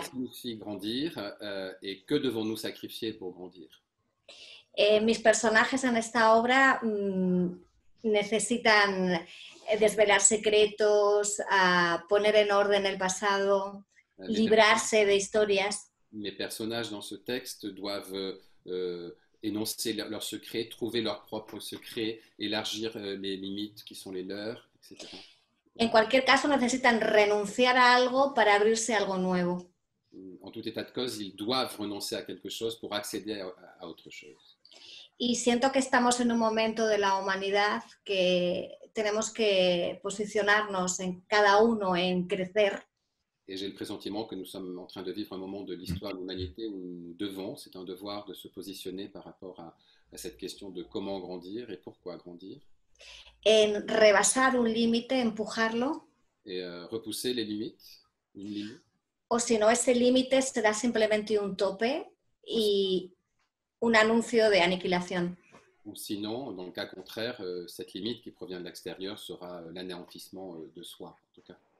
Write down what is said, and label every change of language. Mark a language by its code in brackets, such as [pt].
[es] ¿Qué significa grandir? ¿Y qué debemos sacrificar para grandir? Mis personajes en esta obra necesitan desvelar secretos, poner en orden el pasado, librarse de historias. [fr] Mes personnages dans ce texte doivent énoncer leurs secrets, trouver leurs propres secrets, élargir les limites qui sont les leurs, etc. [es] En cualquier caso, necesitan renunciar a algo para abrirse a algo nuevo. [fr] En tout état de cause, ils doivent renoncer à quelque chose pour accéder à autre chose. [es] Y siento que estamos en un momento de la humanidad que tenemos que posicionarnos en cada uno en crecer. [fr] Et j'ai le pressentiment que nous sommes en train de vivre un moment de l'histoire de l'humanité où nous devons, c'est un devoir de se positionner par rapport à cette question de comment grandir et pourquoi grandir. [es] En rebasar un límite, empujarlo. [fr] Et repousser les limites, une limite. [es] O si no, ese límite será simplemente un tope y un anuncio de aniquilación. [fr] Ou sinon, dans le cas contraire, cette limite qui provient de l'extérieur sera l'anéantissement de soi, en tout cas.